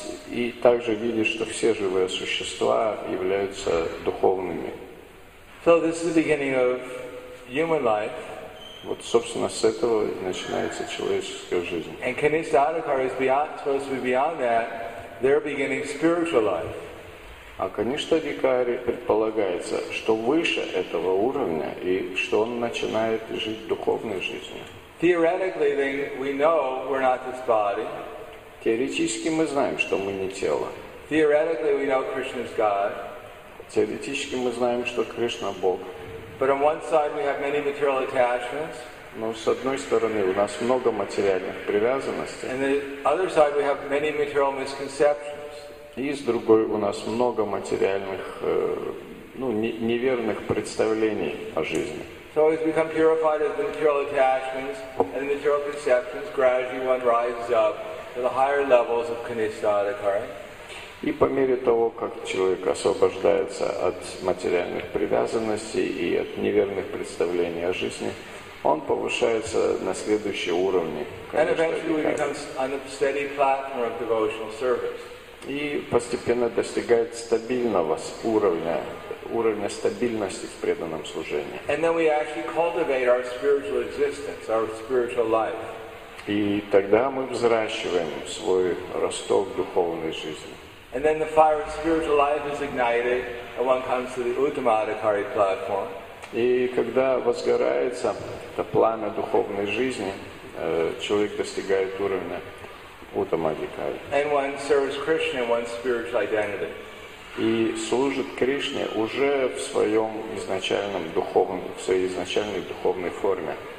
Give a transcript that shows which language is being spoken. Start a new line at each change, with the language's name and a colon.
Russian: И также видеть, что все живые существа являются духовными.
English: So this is the beginning of human life.
Russian: Вот, собственно, с этого начинается человеческая жизнь.
English: And Kanishka Adhikara is beyond, supposed to be beyond that, they're beginning spiritual life.
Russian: А Каништа Адхикари предполагается, что выше этого уровня и что он начинает жить духовной жизнью.
English: Theoretically, then, we know we're not this body.
Russian: Теоретически мы знаем, что мы не тело.
English: Theoretically, we know Krishna is God.
Russian: Теоретически мы знаем, что Кришна – Бог.
English: But on one side, we have many material attachments.
Russian: Но с одной стороны, у нас много материальных привязанностей.
English: And the other side, we have many material misconceptions.
Russian: И с другой, у нас много материальных, ну, неверных представлений о жизни.
English: So as we become purified of the material attachments and the material conceptions, gradually one rises up to the higher levels of Kanishka Adhikara.
Russian: И по мере того, как человек освобождается от материальных привязанностей и от неверных представлений о жизни, он повышается на следующие уровни.
English: And eventually we become on the steady platform of devotional service.
Russian: И постепенно достигает стабильного уровня, уровня стабильности в преданном служении.
English: And then we actually cultivate our spiritual existence, our spiritual life.
Russian: И тогда мы взращиваем свой росток духовной жизни.
English: And then the fire of spiritual life is ignited, and one comes to the Uttama Adhikari platform.
Russian: И когда возгорается это пламя духовной жизни, человек достигает уровня Uttama Adhikari.
English: And one serves Krishna in one's spiritual identity.
Russian: И служит Кришне уже в своем изначальном духовном, в своей изначальной духовной форме.